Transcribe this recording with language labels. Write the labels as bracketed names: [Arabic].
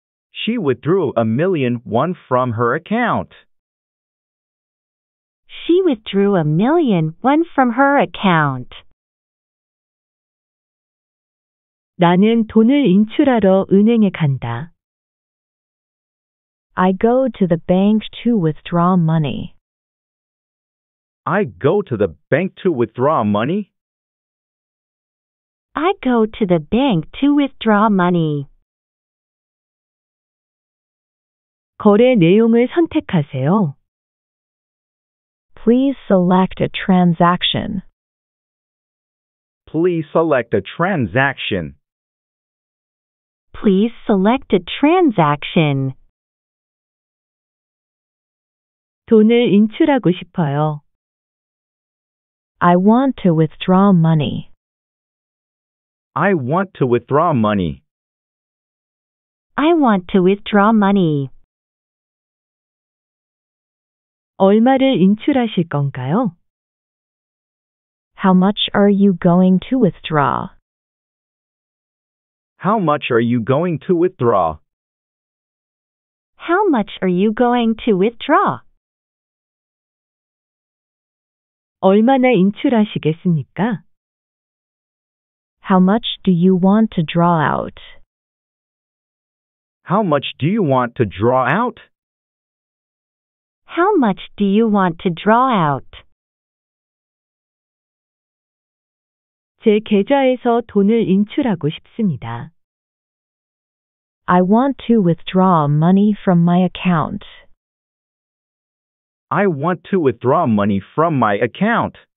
[English] She withdrew 1,000,000 won from her account. She withdrew 1,000,000 won from her account. [Korean] 나는 돈을 인출하러 은행에 간다. [English] I go to the bank to withdraw money. I go to the bank to withdraw money. I go to the bank to withdraw money. [Korean] 거래 내용을 선택하세요. [English] Please select a transaction. Please select a transaction. Please select a transaction. [Korean] 돈을 인출하고 싶어요. [English] I want to withdraw money. I want to withdraw money. I want to withdraw money. [Korean] 얼마를 인출하실 건가요? [English] How much are you going to withdraw? How much are you going to withdraw? How much are you going to withdraw? [Korean] 얼마나 인출하시겠습니까? [English] How much do you want to draw out? How much do you want to draw out? How much do you want to draw out? [Korean] 제 계좌에서 돈을 인출하고 싶습니다. [English] I want to withdraw money from my account. I want to withdraw money from my account.